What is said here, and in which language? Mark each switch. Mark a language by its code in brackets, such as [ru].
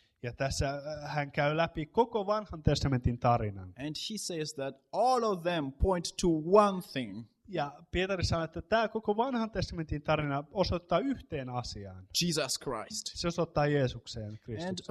[fi] Ja tässä hän käy läpi koko Vanhan testamentin tarinan. [en] And he says that all of them point to one thing. [fi] Ja Pietari sanoo, että tämä koko Vanhan testamentin tarina osoittaa yhteen asiaan. [en] Jesus Christ. [fi] Se osoittaa Jeesukseen Kristukseen.